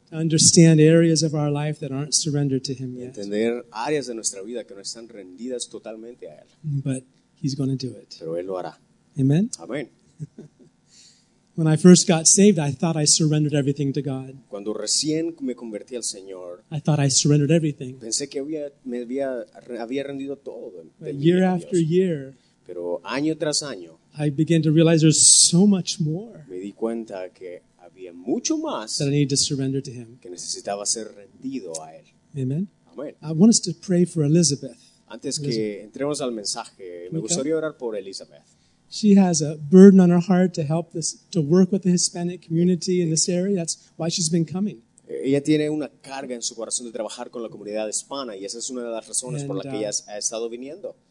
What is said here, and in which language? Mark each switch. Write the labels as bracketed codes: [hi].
[en] Understand areas of our life that aren't surrendered to Him yet. [es] Entender áreas de nuestra vida que no están rendidas totalmente a Él. [en] But He's going to do it. [es] Pero Él lo hará. [en] Amen. [es] Amen. [en] When I first got saved, I thought I surrendered everything to God. [es] Cuando recién me convertí al Señor, [en] I thought I surrendered everything. [es] Pensé que había rendido todo. [en] Year after year. [es] Pero año tras año. [en] I began to realize there's so much more. [es] Me di cuenta que había mucho más [en] that I need to surrender to Him. [es] Que necesitaba ser rendido a Él. [en] Amen. [es] Amen. [en] I want us to pray for Elizabeth. [es] Antes que entremos al mensaje, me gustaría orar por Elizabeth. [en] She has a burden on her heart to help this, to work with the Hispanic community in this area. That's why she's been coming. [es] Ella tiene una carga en su corazón de trabajar con la comunidad hispana y esa es una de las razones por la que ella ha estado viniendo.